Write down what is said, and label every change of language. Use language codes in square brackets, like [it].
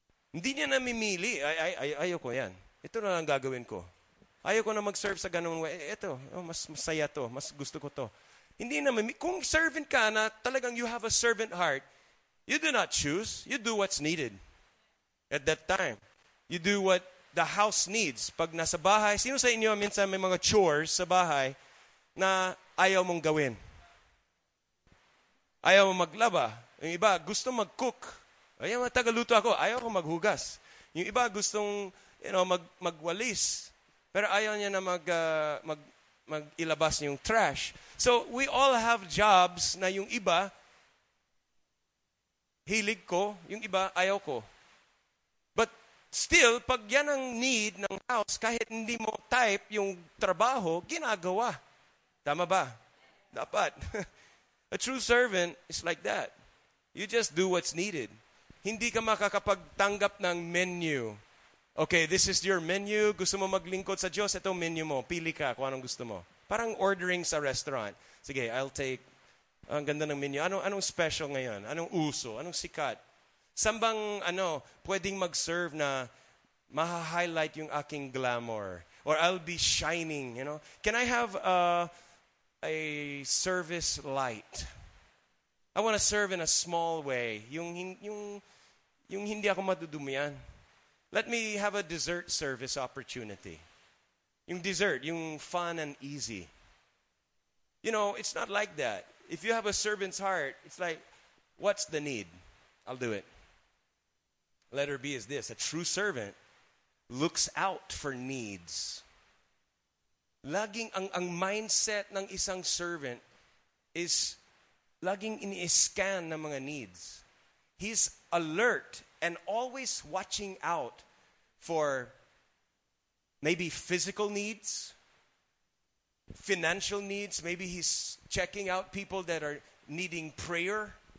[tl] Hindi niya namimili. Ayoko yan. Ito na lang gagawin ko. Ayoko na mag-serve sa ganun. Ito, mas masaya to. Mas gusto ko to. Hindi namimili. Kung servant ka na, talagang [en] you have a servant heart, you do not choose. You do what's needed at that time. You do what the house needs. [tl] Pag nasa bahay, sino sa inyo minsan may mga chores sa bahay na ayaw mong gawin? Ayaw mong maglaba. Yung iba, gusto mag-cook. Ayaw mong tagaluto ako. Ayaw mong maghugas. Yung iba, gustong, [en] you know, [tl] magwalis. Pero ayaw niya na mag-ilabas yung trash. [en] So, we all have jobs [tl] na yung iba, hilig ko. Yung iba, ayaw ko. Still, pag yan ang need ng house, kahit hindi mo type yung trabaho, ginagawa. Tama ba? Dapat. [en] A true servant is like that. You just do what's needed. [tl] Hindi ka makakapagtanggap ng menu. [en] Okay, this is your menu. [tl] Gusto mo maglingkod sa Diyos? Ito menu mo. Pili ka kung anong gusto mo. Parang ordering sa restaurant. Sige, [en] I'll take. [tl] Ang ganda ng menu. Anong special ngayon? Anong uso? Anong sikat? Sambang ano, pwedeng mag-serve na maha-highlight yung aking glamour. [en] Or I'll be shining, you know. Can I have a service light. I want to serve in a small way. [tl] Yung hindi ako madudumian. [en] Let me have a dessert service opportunity. [tl] Yung dessert, yung [en] fun and easy. You know, it's not like that. If you have a servant's heart, it's like, what's the need? I'll do it. Letter B is this. A true servant looks out for needs. [tl] Laging ang mindset ng isang servant is laging ini-scan ng mga needs. [en] He's alert and always watching out for maybe physical needs, financial needs. Maybe he's checking out people that are needing prayer.